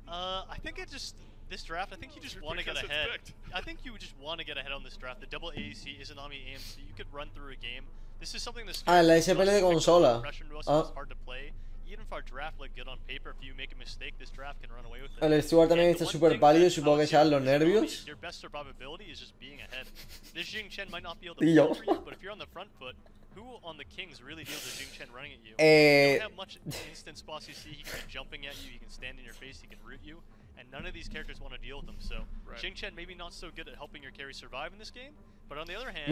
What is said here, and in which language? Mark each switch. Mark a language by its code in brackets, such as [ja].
[en] I think it just this draft. I think you just want to get ahead. I think you just want to get ahead on this draft. The double AEC, Izanami AMC. You could run through a game. This is something that's [es] la SPL de consola. [en] Hard to play. Even if our draft looked good on paper, if you make a mistake, this draft can run away with it. [es] El Stuart también está súper pálido, supongo que sean los nervios. [en] Your best survivability is just being ahead. This Jing Chen might not be able to play for you, but if you're on the front foot, who on the Kings really deals with Jing Chen running at you? You don't have much instant spots you see. He can be jumping at you, he can stand in your face, he can root you, and none of these characters want to deal with him. So right. Jing Chen maybe not so good at helping your carry survive in this game, but on the other hand...